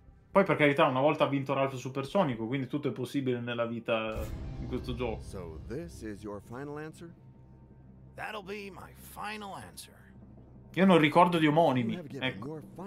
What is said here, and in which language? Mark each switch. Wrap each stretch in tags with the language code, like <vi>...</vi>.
<it>Poi, per carità, una volta ha vinto Ralph Supersonico, quindi tutto è possibile nella vita in questo gioco.</it> <en>So this is your final answer? That'll be my final answer.</en> <it>Io non ricordo di omonimi. Ecco.</it>